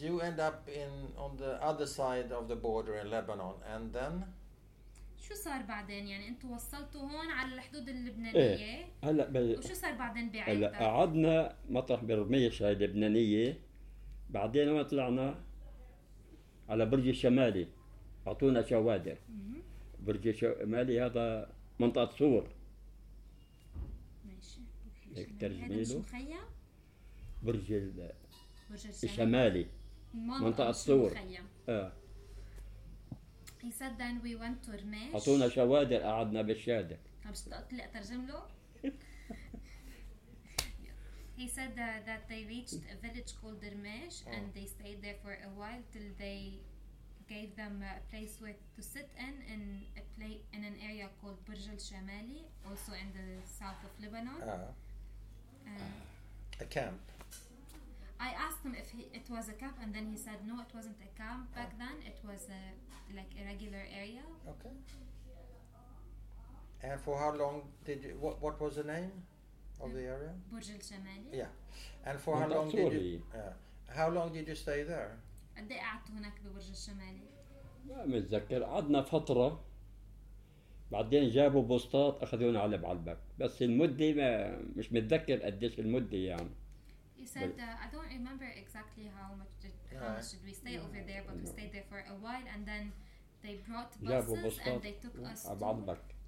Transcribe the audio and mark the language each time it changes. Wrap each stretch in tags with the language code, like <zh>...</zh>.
<en>You end up on the other side of the border in Lebanon, and then.</en> <ar>شو صار بعدين يعني انتوا وصلتوا هون على الحدود اللبنانيه هلا وشو صار بعدين بعيد قعدنا مطرح برميش هاي اللبنانيه بعدين وين طلعنا على برج الشمالي اعطونا شوادر برج الشمالي هذا منطقه صور ماشي ترجمي له برج الشمالي منطقه صور</ar> <en>He said then we went to Rmesh.</en> <ar>أعطونا شوادر قعدنا بالشادر. مش تقلق ترجم له.</ar> <en>He said that they reached a village called Rmesh and they stayed there for a while till they gave them a place to sit in an area called Burj al Shamali, also in the south of Lebanon. A camp. I asked him if it was a camp, and then he said no, it wasn't a camp back then. It was a regular area. Okay. And for how long did you? What was the name of the area? Burj al Shamali. Yeah. And for how long did you? How long did you stay there?</en> <ar>قد ايه قعدت هناك ببرج الشمالي؟ ما متذكر. قعدنا فترة. بعدين جابوا بوسطات أخذونا على بعلبك. بس المدة ما مش متذكر قديش المدة يعني.</ar> <en>He said, I don't remember exactly how much did we stay over there, but we stayed there for a while, and then they brought buses and they took us to Baalbek.</en>